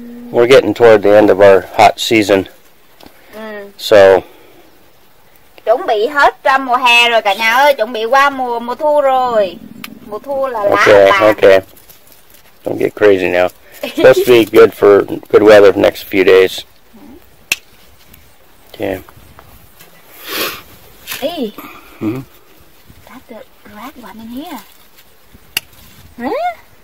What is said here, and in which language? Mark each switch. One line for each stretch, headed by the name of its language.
English: We're getting toward the end of our hot season. So.
Vietnamese: Chuẩn bị hết trong mùa hè rồi cả nhà ơi, chuẩn bị qua mùa thu rồi. Mùa thu là lá.
English: Okay. Don't get crazy now. Supposed to be good for good weather for the next few days. Okay. That's a red one in here. Huh?